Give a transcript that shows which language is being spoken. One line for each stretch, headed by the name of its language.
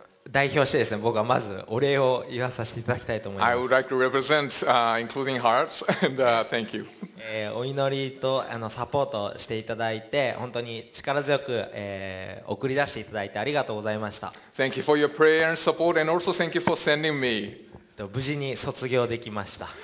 Japanese: 代表してですね、僕はまずお礼を言わさせていただきたいと思います。
English: I would like to represent, including hearts, and, thank you.
Japanese: お祈りとサポートしていただいて、本当に力強く、送り出していただいてありがとうございました。
English: Thank you for your prayer and support, and also thank you for sending me.
Japanese: 無事に卒業できました。